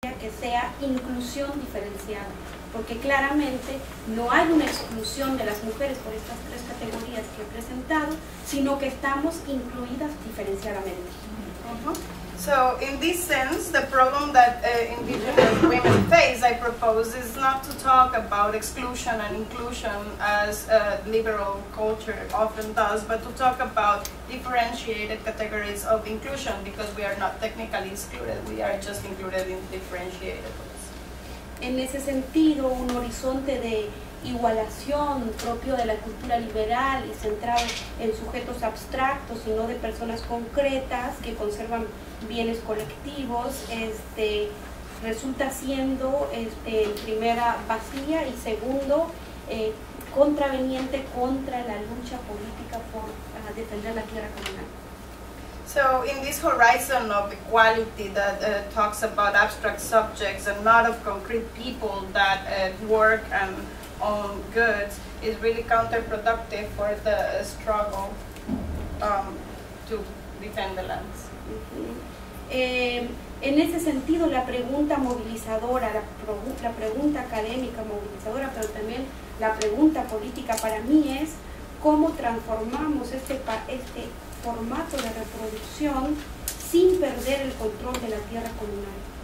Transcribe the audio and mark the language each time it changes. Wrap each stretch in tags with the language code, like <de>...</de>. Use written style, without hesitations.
<es>que sea inclusión diferenciada, porque claramente no hay una exclusión de las mujeres por estas tres categorías que he presentado, sino que estamos incluidas diferenciadamente.</es> <en>So, in this sense, the problem that indigenous women face, I propose, is not to talk about exclusion and inclusion as liberal culture often does, but to talk about differentiated categories of inclusion, because we are not technically excluded, we are just included in differentiated ways.</en> <es>En ese sentido, un horizonte de igualación propio de la cultura liberal y centrado en sujetos abstractos y no de personas concretas que conservan bienes colectivos, resulta siendo primera vacía y segundo contraveniente contra la lucha política por defender la tierra comunal.</es> <en>So in this horizon of equality that talks about abstract subjects and not of concrete people that work and own goods is really counterproductive for the struggle to defend the lands.</en> <es>En ese sentido, la pregunta movilizadora, la pregunta académica movilizadora, pero también la pregunta política para mí es cómo transformamos este formato de reproducción sin perder el control de la tierra comunal.</es>